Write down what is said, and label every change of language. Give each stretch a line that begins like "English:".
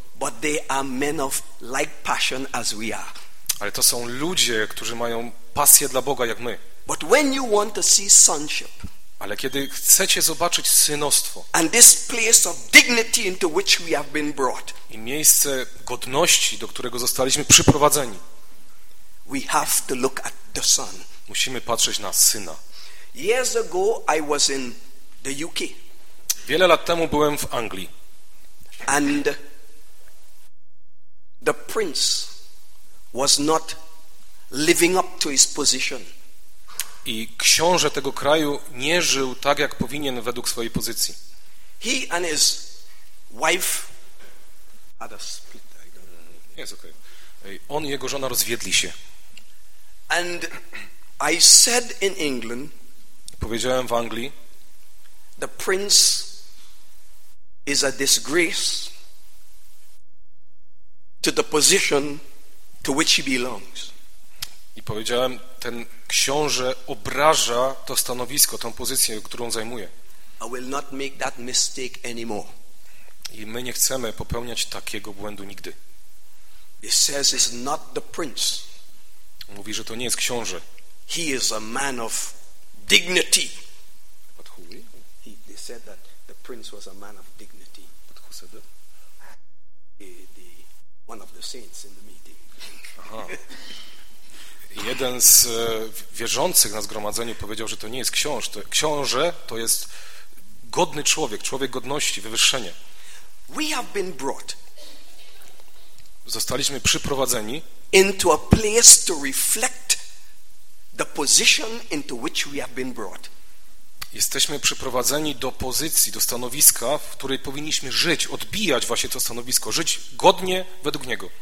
English: But they are men of like passion as we are.
Polish: Ale to są ludzie, którzy mają pasję dla Boga jak my.
English: But when you want to see sonship.
Polish: Ale kiedy chcecie zobaczyć synostwo.
English: And this place of dignity into which we have been brought.
Polish: I miejsce godności, do którego zostaliśmy przyprowadzeni.
English: We have to look at the son.
Polish: Musimy patrzeć na syna.
English: Years ago I was in the UK.
Polish: Wiele lat temu byłem w Anglii.
English: And the prince was not living up to his position.
Polish: I książę tego kraju nie żył tak, jak powinien według swojej pozycji.
English: He and his wife had a split.
Polish: Jest okej. On i jego żona rozwiedli się.
English: And I said in England,
Polish: powiedziałem w Anglii,
English: the prince is a disgrace to the position to which he belongs.
Polish: I powiedziałem, ten książę obraża to stanowisko, tą pozycję, którą zajmuje.
English: I will not make that mistake anymore.
Polish: I my nie chcemy popełniać takiego błędu nigdy.
English: He says it's not the prince.
Polish: Mówi, że to nie jest książę.
English: He is a man of dignity. But who? They said that the prince was a man of dignity. But who said that? One of the saints in the meeting. Aha.
Polish: Jeden z wierzących na zgromadzeniu powiedział, że to nie jest książę. Książę to jest godny człowiek, człowiek godności, wywyższenie.
English: We have been brought.
Polish: Zostaliśmy przyprowadzeni
English: into a place to reflect the position into which we have been brought.
Polish: Jesteśmy przyprowadzeni do pozycji, do stanowiska, w której powinniśmy żyć, odbijać właśnie to stanowisko, żyć godnie według niego.